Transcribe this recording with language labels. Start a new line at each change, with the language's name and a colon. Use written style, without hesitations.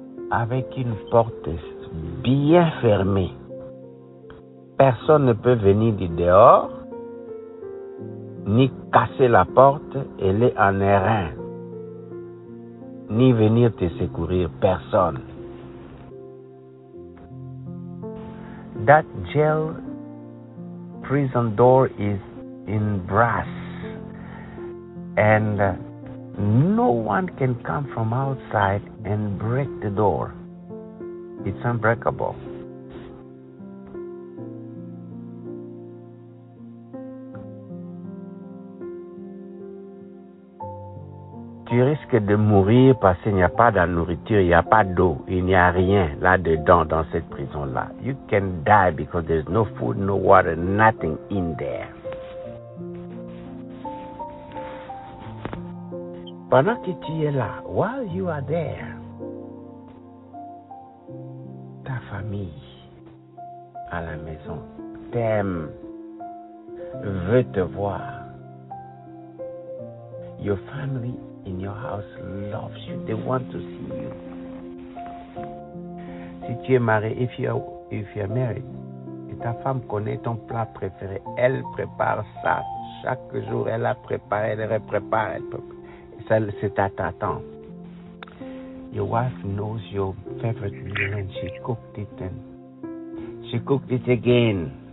French: Avec une porte bien fermée. Personne ne peut venir du dehors, ni casser la porte, aller en errin, ni venir te secourir, personne.
English: That jail prison door is in brass, and no one can come from outside and break the door. It's unbreakable.
French: Tu risques de mourir parce qu'il n'y a pas de nourriture, il n'y a pas d'eau, il n'y a rien là-dedans dans cette prison-là.
English: You can die because there's no food, no water, nothing in there.
French: Pendant que tu es là,
English: while you are there,
French: famille, à la maison, t'aime, veut te voir.
English: Your family in your house loves you. They want to see you.
French: Si tu es marié,
English: if you're married,
French: et ta femme connaît ton plat préféré, elle prépare ça chaque jour. Elle a préparé, elle réprépare. C'est à ta tante.
English: Your wife knows your favorite meal and she cooked it and she cooked it again.